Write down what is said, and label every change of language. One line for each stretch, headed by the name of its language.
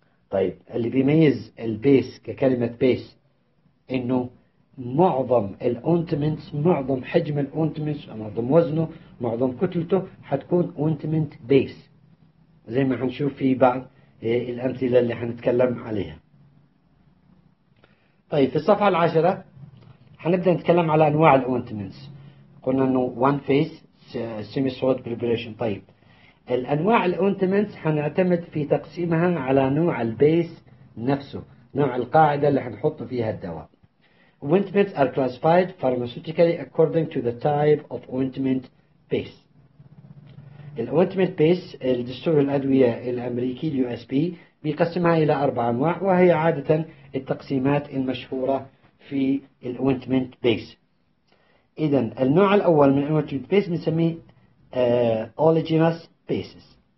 Arabic: طيب اللي بيميز البيس ككلمة بيس إنه معظم الاونتمنت، معظم حجم الاونتمنت، معظم وزنه، معظم كتلته حتكون اونتمنت بيس، زي ما حنشوف في بعض الامثله اللي حنتكلم عليها. طيب في الصفحه العاشره هنبدأ نتكلم على أنواع الأوينتمنتس. قلنا إنه وان فيس سيمي سوليد بريبريشن. طيب الأنواع الأوينتمنتس هنعتمد في تقسيمها على نوع البيس نفسه، نوع القاعدة اللي هنحط فيها الدواء.
English: Ointments are classified pharmaceutically according to the type of ointment base.
Arabic: الأوينتمنت بيس الدستور الأدوية الأمريكي اليو اس بي بيقسمها إلى أربع أنواع، وهي عادة التقسيمات المشهورة في الأوينتمنت بيس. إذا النوع الأول من الأوينتمنت بيس بنسميه أوليجينوس بيسز.